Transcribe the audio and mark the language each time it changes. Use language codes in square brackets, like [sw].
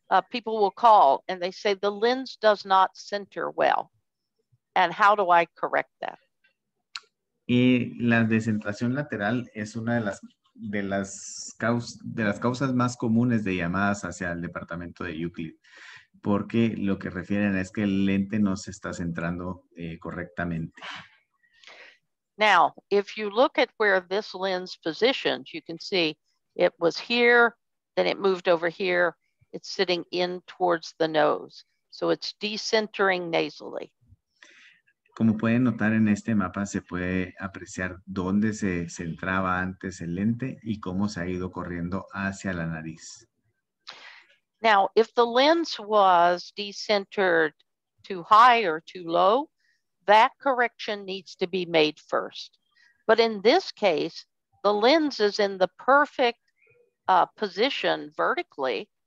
[en] People will call and they say the lens does not center well. And how do I correct that? [es] Y la descentración lateral es una de las causas más comunes de llamadas hacia el departamento de Euclid, porque lo que refieren es que el lente no se está centrando correctamente. [en] Now, if you look at where this lens positioned, you can see it was here, then it moved over here. It's sitting in towards the nose. So it's decentering nasally. [es] Como pueden notar en este mapa, se puede apreciar dónde se centraba antes el lente y cómo se ha ido corriendo hacia la nariz. [en] Now, if the lens was decentered too high or too low, that correction needs to be made first. But in this case, the lens is in the perfect position vertically.